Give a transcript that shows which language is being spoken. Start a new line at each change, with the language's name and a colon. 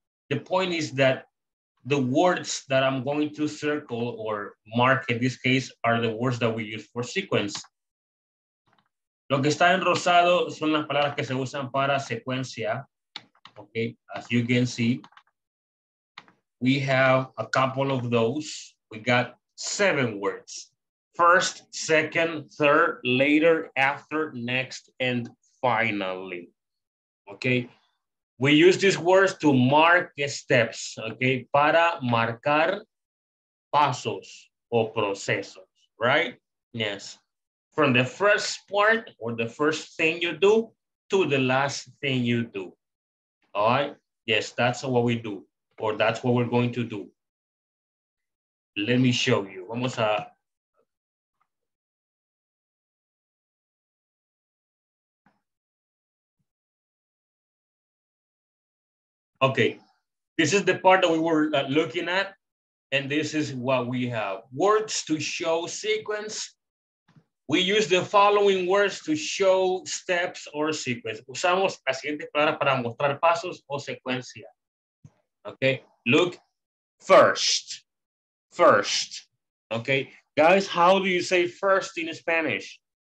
English: The point is that the words that I'm going to circle or mark in this case are the words that we use for sequence.
Spanish: Lo que está en rosado son las palabras que se usan para secuencia.
English: Okay, as you can see, we have a couple of those. We got 7 words. First, second, third, later, after, next, and finally. Okay, we use these words to mark steps.
Spanish: Okay, para marcar pasos o procesos, right? Yes.
English: From the first part or the first thing you do to the last thing you do. All right. Yes, that's what we do, or that's what we're going to do. Let me show you.
Spanish: Vamos a.
English: Okay. This is the part that we were looking at, and this is what we have. Words to show sequence. We use the following words to show steps or sequence.
Spanish: Usamos las siguientes palabras para mostrar pasos o secuencia.
English: Okay, look, first. Okay, guys, how do you say first in Spanish?